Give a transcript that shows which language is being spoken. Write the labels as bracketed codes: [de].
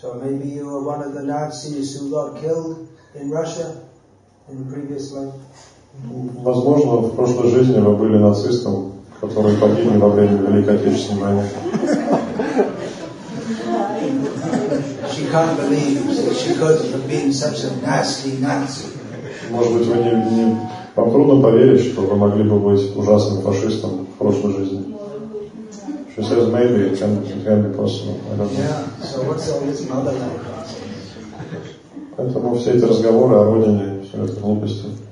[en] So maybe you were one of the Nazis who got killed in Russia in the previous life? [ru] Возможно, в прошлой жизни вы были нацистом, который погиб во время Великой Отечественной войны. [en] She can't believe that she could have been such a nasty Nazi. [ru] Может быть, вы не вам трудно поверить, что вы могли бы быть ужасным фашистом в прошлой жизни. [en] She says maybe it can be possible. I don't know. Yeah. So what's all this motherland like? [ru] Поэтому все эти разговоры о родине, все это глупости.